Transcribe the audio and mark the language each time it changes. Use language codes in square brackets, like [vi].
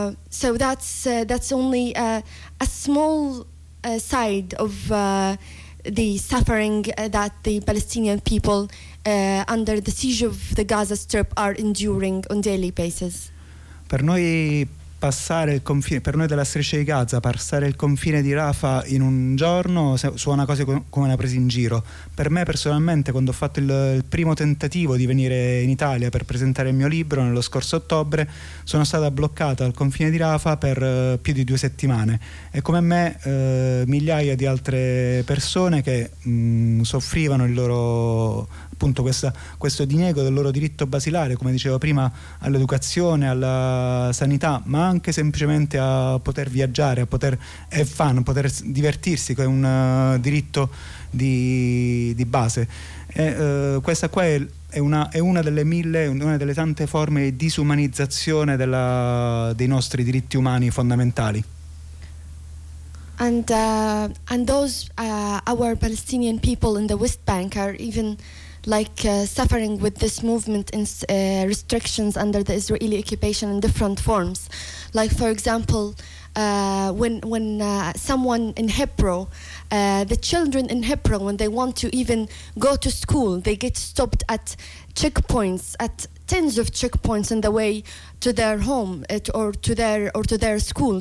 [en] So that's only a small side of the suffering that the Palestinian people under the siege of the Gaza Strip are enduring on daily basis. [it] Per noi passare il confine, per noi della striscia di Gaza, passare il confine di Rafah in un giorno suona quasi come una presa in giro. Per me personalmente, quando ho fatto il primo tentativo di venire in Italia per presentare il mio libro nello scorso ottobre, sono stata bloccata al confine di Rafah per più di 2 settimane, e come me migliaia di altre persone che soffrivano il loro, appunto, questo diniego del loro diritto basilare, come dicevo prima, all'educazione, alla sanità, ma anche semplicemente a poter viaggiare, a poter [en] have fun, [it] a poter divertirsi, che è un diritto di base. Questa qua è una delle tante forme di disumanizzazione dei nostri diritti umani fondamentali. [en] And those our Palestinian people in the West Bank are even like suffering with this movement in restrictions under the Israeli occupation in different forms. Like, for example, when someone in Hebron, the children in Hebron, when they want to even go to school, they get stopped at checkpoints, at tens of checkpoints on the way to their home or to their school.